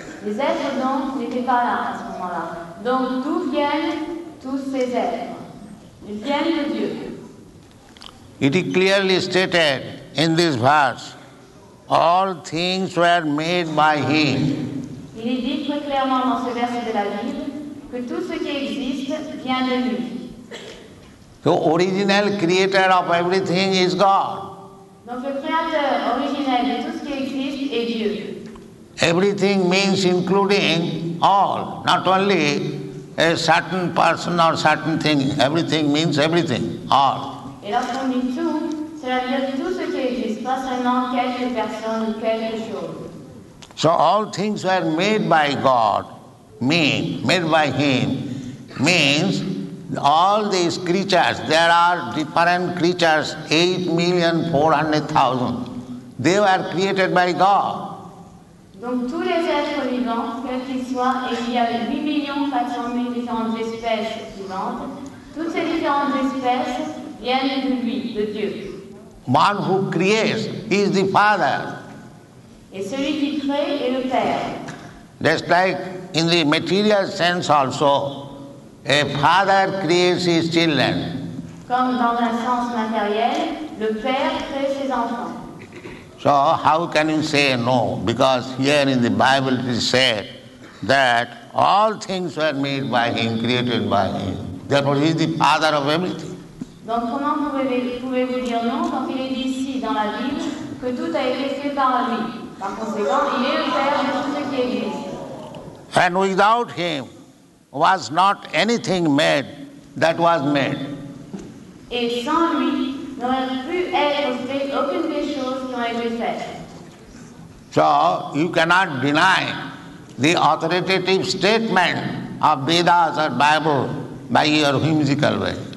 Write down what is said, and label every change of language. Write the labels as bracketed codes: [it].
[fr] Les êtres, donc, n'étaient pas là à ce moment-là. Donc, d'où viennent tous ces êtres? Ils viennent de Dieu. [en] It is clearly stated in this verse, all things were made by Him. [fr] Il est dit très clairement dans ce verset de la Bible que tout ce qui existe vient de lui. [en] The original creator of everything is God. [fr] Donc le créateur originel de tout ce qui existe est Dieu. [en] Everything means including all, not only a certain person or certain thing. Everything means everything, all. [fr] Et lorsqu'on dit tout, cela veut dire tout ce qui existe, pas seulement quelques personnes ou quelques choses. [en] So all things were made by God, made by Him, means all these creatures, there are different creatures, 8,400,000, they were created by God. [fr] Donc tous les êtres vivants, quels qu'ils soient, et il y a 8,400,000 différentes espèces vivantes, toutes ces différentes espèces, de Dieu. [en] One who creates is the Father. [fr] Et celui qui crée est le Père. [en] Just like in the material sense also, a father creates his children. [fr] Comme dans un sens matériel, le Père crée ses enfants. [en] So how can you say no? Because here in the Bible it is said that all things were made by Him, created by Him. Therefore He is the Father of everything. [fr] Donc comment pouvez-vous dire non quand il est dit ici dans la Bible que tout a été fait par lui? Par conséquent, il est le Père de tout ce qui existe. [en] And without Him was not anything made that was made. [fr] Et sans lui, n'aurait pu être fait aucune des choses qui ont été faites. [en] So you cannot deny the authoritative statement of Vedas or Bible by your whimsical way.